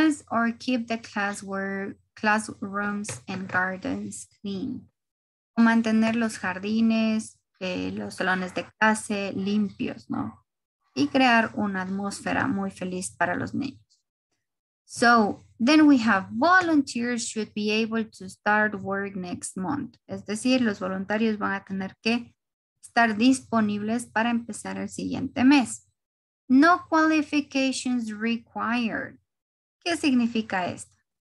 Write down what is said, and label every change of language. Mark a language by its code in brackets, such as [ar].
[en] Or keep the classrooms and gardens clean. [es] O mantener los jardines, los salones de clase limpios, ¿no? Y crear una atmósfera muy feliz para los niños. [en] So, then we have volunteers should be able to start work next month. [es] Es decir, los voluntarios van a tener que estar disponibles para empezar el siguiente mes. [en] No qualifications required. [es] ¿Qué significa esto?